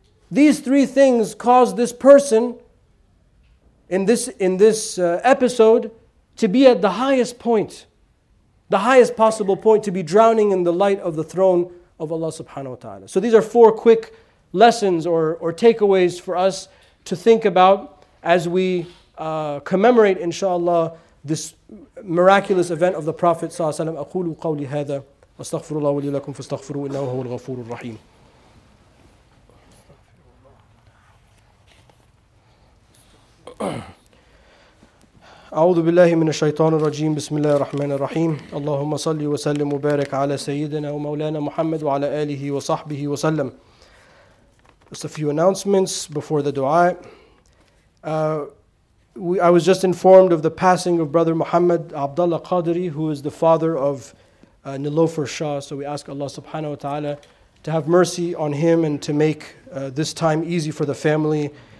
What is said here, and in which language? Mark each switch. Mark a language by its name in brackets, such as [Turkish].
[English] These three things cause this person, in this episode, to be at the highest point, the highest possible point, to be drowning in the light of the throne of Allah subhanahu wa ta'ala. So these are four quick lessons or takeaways for us to think about as we commemorate, inshallah, this miraculous event of the Prophet sallallahu alaihi wasallam. [Arabic] أقول قولي هذا واستغفر الله ولي لكم فاستغفروا إنه هو الغفور الرحيم. أعوذ بالله من الشيطان الرجيم بسم الله الرحمن الرحيم اللهم صل وسلم وبارك على سيدنا ومولانا محمد وعلى آله وصحبه وسلم. [English] Just a few announcements before the dua. I was just informed of the passing of Brother Muhammad Abdullah Qadri, who is the father of Nilofer Shah. So we ask Allah subhanahu wa ta'ala to have mercy on him and to make this time easy for the family.